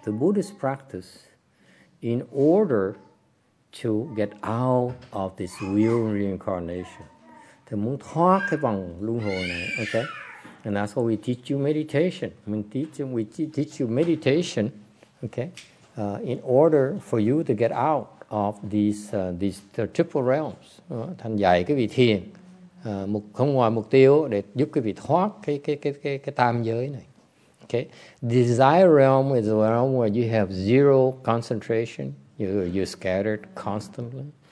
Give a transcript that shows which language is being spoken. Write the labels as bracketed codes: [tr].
[en] The Buddhist practice in order to get out of this wheel reincarnation. [vi] Thì muốn thoát cái vòng luân hồi này, okay? [en] And that's why we teach you meditation. We teach you meditation, okay? In order for you to get out of these triple realms, [vi] thành dạy cái vị thiền một không ngoài mục tiêu để giúp cái vị thoát cái tam giới này. [en] Okay, desire realm is a realm where you have zero concentration, you're scattered constantly.